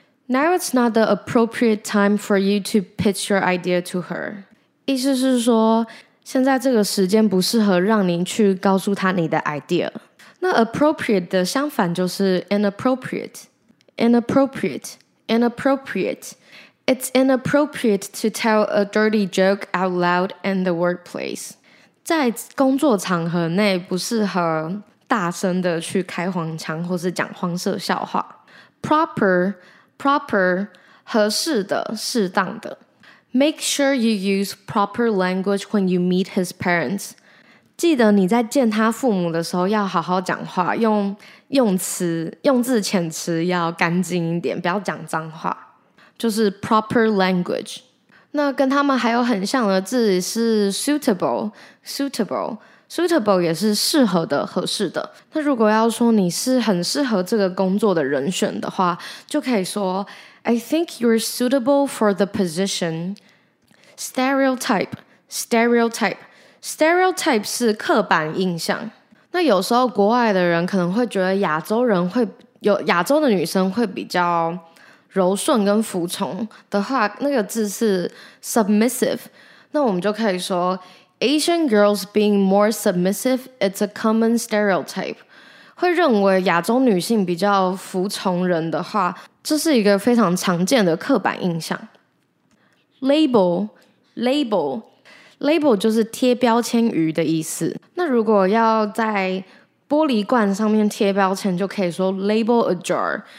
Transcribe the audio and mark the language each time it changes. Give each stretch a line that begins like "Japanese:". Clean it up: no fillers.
English: Now it's not the appropriate time for you to pitch your idea to her.
Chinese: 意思是说，现在这个时间不适合让您去告诉她你的 idea. 那 appropriate 的相反就是 inappropriate. Inappropriate.
English: Inappropriate. It's inappropriate to tell a dirty joke out loud in the workplace.
Chinese: 在工作场合内不适合大声的去开黄腔或是讲黄色笑话。 Proper, proper, 合适的，适当的。
English: Make sure you use proper language when you meet his parents.
Chinese: 记得你在见他父母的时候要好好讲话，用字遣词要干净一点，不要讲脏话。就是
English: proper language.
Chinese: 那跟他们还有很像的字是 suitable, suitable. Suitable 也是适合的、合适的。那如果要说你是很适合这个工作的人选的话，就可以说
English: I think you're suitable for the position.
Chinese: Stereotype, stereotype, stereotype 是刻板印象。那有时候国外的人可能会觉得亚洲人会有亚洲的女生会比较柔顺跟服从的话，那个字是 submissive。那我们就可以说。
English: Asian girls being more submissive, it's a common stereotype.
Chinese: 会认为亚洲女性比较服从人的话，这是一个非常常见的刻板印象。 Label, label, label 就是贴标签鱼的意思。那如果要在玻璃罐上面贴标签，就可以说
English: label a jar.